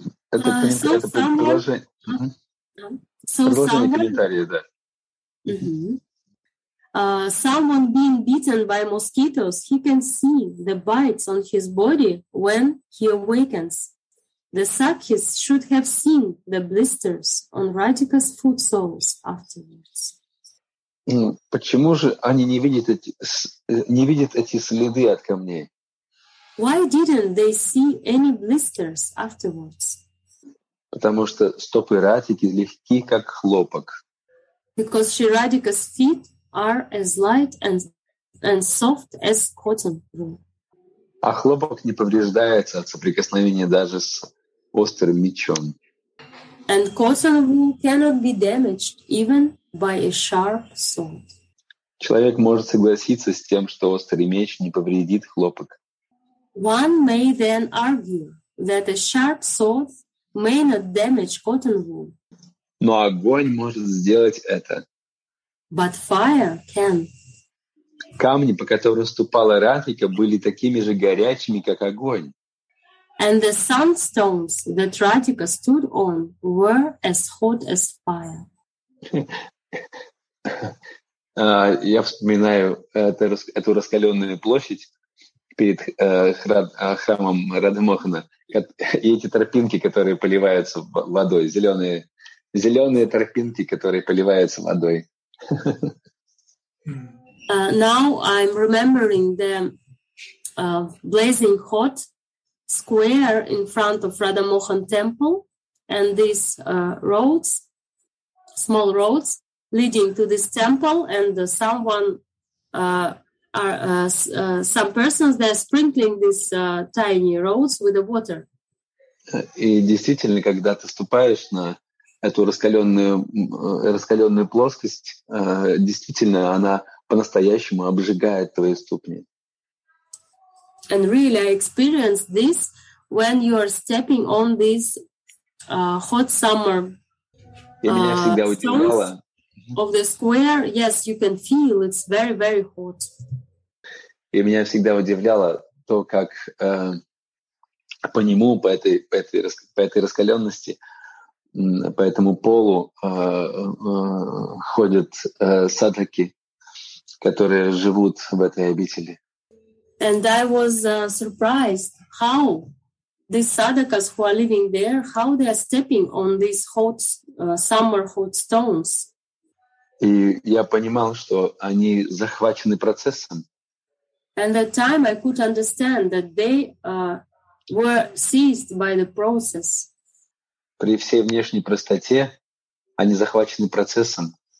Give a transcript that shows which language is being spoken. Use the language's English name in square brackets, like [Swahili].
[Russian] Это предложение комментария, да. [English] Someone being beaten by mosquitoes, he can see the bites on his body when he awakens. The sakhis should have seen the blisters on Radhika's foot soles afterwards. [Russian] Почему же они не видят эти следы от камней? [English] Why didn't they see any blisters afterwards? [Russian] Потому что стопы Радхики легки, как хлопок. [English] Because Sri Radhika's feet are as light and soft as cotton wool. [Russian] А хлопок не повреждается от соприкосновения даже с острым мечом. [English] And cotton wool cannot be damaged even by a sharp sword. [Russian] Человек может согласиться с тем, что острый меч не повредит хлопок. [English] One may then argue that a sharp sword may not damage cotton wool. [Russian] Но огонь может сделать это. [English] But fire can. [Russian] Камни, по которым ступала Радхика, были такими же горячими, как огонь. [English] And the sandstones that Radhika stood on were as hot as fire. [Russian] Я вспоминаю эту раскаленную площадь перед храмом Радхамохана и эти тропинки, которые поливаются водой, зеленые тропинки, которые поливаются водой. [English] Now I'm remembering the blazing hot square in front of Radhamohan temple and these roads, small roads leading to this temple, and some persons they're sprinkling these tiny roads with the water. [Russian] И действительно, когда ты ступаешь на эту раскаленную плоскость, действительно, она по-настоящему обжигает твои ступни. [English] And really, I experienced this when you are stepping on these hot summer stones of the square. Yes, you can feel it's very, very hot. [Russian] И меня всегда удивляло то, как по нему, по этой раскаленности, по этому полу ходят садхаки, которые живут в этой обители. [English] And I was surprised how these sadhakas who are living there, how they are stepping on these hot summer hot stones. [Russian] И я понимал, что они захвачены процессом. [English] And at that time I could understand that they were seized by the process. [Russian] При всей внешней простоте они захвачены процессом.